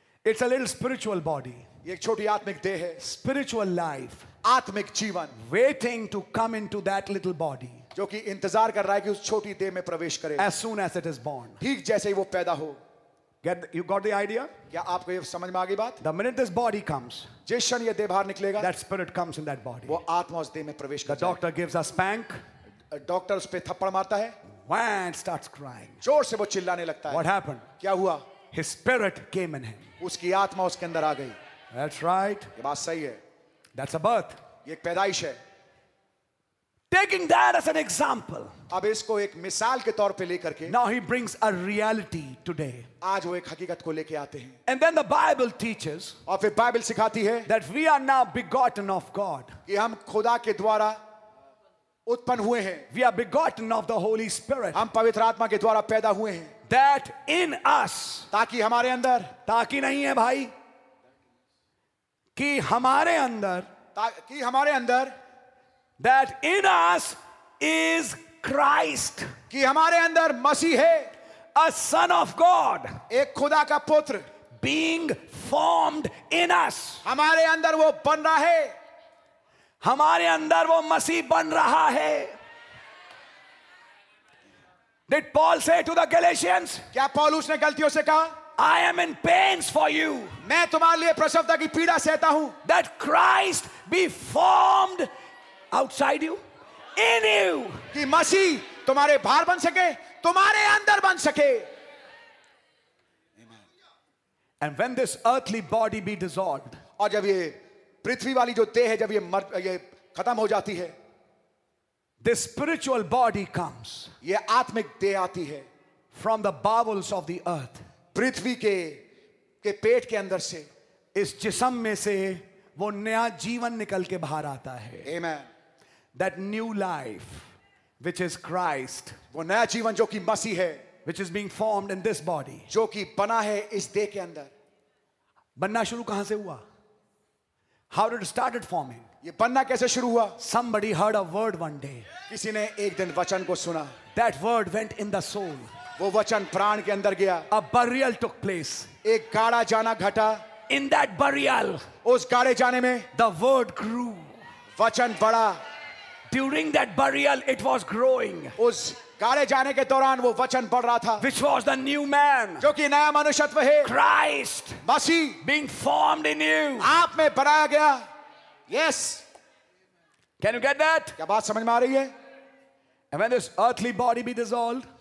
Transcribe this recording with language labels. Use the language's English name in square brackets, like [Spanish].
[English] It's a little spiritual body. [Hindi] एक छोटी आत्मिक देह है. [English] Spiritual life. [Hindi] आत्मिक जीवन. [English] Waiting to come into that little body. [Hindi] जो कि इंतजार कर रहा है कि उस छोटी देह में प्रवेश करे. [English] As soon as it is born. [Hindi] ठीक जैसे ही वो पैदा हो. [English] You got the idea? [Hindi] क्या आपको ये समझ में आ गई बात? [English] The minute this body comes. [Hindi] जिस क्षण ये देह बाहर निकलेगा. [English] That spirit comes in that body. [Hindi] वो आत्मा उस देह में प्रवेश कर. [English] The doctor gives a spank. [Hindi] Doctor उस पे थप्पड़ मारता है. [English] Man starts crying. [Hindi] जोर से वो चिल्लाने लगता है. [English] What happened? [Hindi] क्या हुआ? [English] His spirit came in him. [Hindi] उसकी आत्मा उसके अंदर आ गई. [English] That's right. [Hindi] ये बात सही है. [English] That's a birth. [Hindi] ये एक पैदाइश है. [English] Taking that as an example. [Hindi] अब इसको एक मिसाल के तौर पे लेकर के. [English] Now he brings a reality today. [Hindi] आज वो एक हकीकत को लेके आते हैं. [English] And then the Bible teaches. [Hindi] और फिर बाइबल सिखाती है. [English] That we are now begotten of God. [Hindi] कि हम खुदा के द्वारा उत्पन्न हुए हैं. [English] We are begotten of the Holy Spirit. [Hindi] हम पवित्र आत्मा के द्वारा पैदा हुए हैं. [English] That in us, [Hindi] ताकि हमारे अंदर, ताकि नहीं है भाई, कि हमारे अंदर, ताकि हमारे अंदर, [English] that in us is Christ, [Hindi] कि हमारे अंदर मसीह है, [English] a son of God, [Hindi] एक खुदा का पुत्र, [English] being formed in us, [Hindi] हमारे अंदर वो बन रहा है, हमारे अंदर वो मसीह बन रहा है. [English] Did Paul say to the Galatians? [Hindi] क्या पॉल उसने गलतियों से कहा? [English] I am in pains for you. [Hindi] मैं तुम्हारे लिए प्रसवता की पीड़ा सहता हूं. [English] That Christ be formed outside you, in you. [Hindi] कि मसीह तुम्हारे बाहर बन सके, तुम्हारे अंदर बन सके. [English] Amen. And when this earthly body be dissolved, [Hindi] और जब ये पृथ्वी वाली जो देह है, जब ये खत्म हो जाती है. [English] The spiritual body comes. [Hindi] ये आत्मिक देह आती है. [English] From the bowels of the earth. [Hindi] पृथ्वी के पेट के अंदर से. इस जिस्म में से वो नया जीवन निकल के बाहर आता है. [English] Amen. That new life, which is Christ. [Hindi] वो नया जीवन जो कि मसीह है. [English] Which is being formed in this body. [Hindi] जो कि बना है इस देह के अंदर. बनना शुरू कहां से हुआ? [English] How did it started forming? [Hindi] ये बनना कैसे शुरू हुआ? [English] Somebody heard a word one day. [Hindi] किसी ने एक दिन वचन को सुना. [English] That word went in the soul. [Hindi] वो वचन प्राण के अंदर गया. [English] A burial took place. [Hindi] एक गाड़ा जाना घटा. [English] In that burial, [Hindi] उस गाड़े जाने में, [English] the word grew. [Hindi] वचन बढ़ा. [English] During that burial, it was growing. [Hindi] उस गाड़े जाने के दौरान वो वचन बढ़ रहा था. [English] Which was the new man? [Hindi] जो कि नया मनुष्यत्व है. [English] Christ, [Hindi] Masih, [English] being formed in you. [Hindi] आप में बनाया गया. [English] Yes. Can you get that? [Hindi] क्या बात समझ में आ रही है? [English] And when this earthly body be dissolved,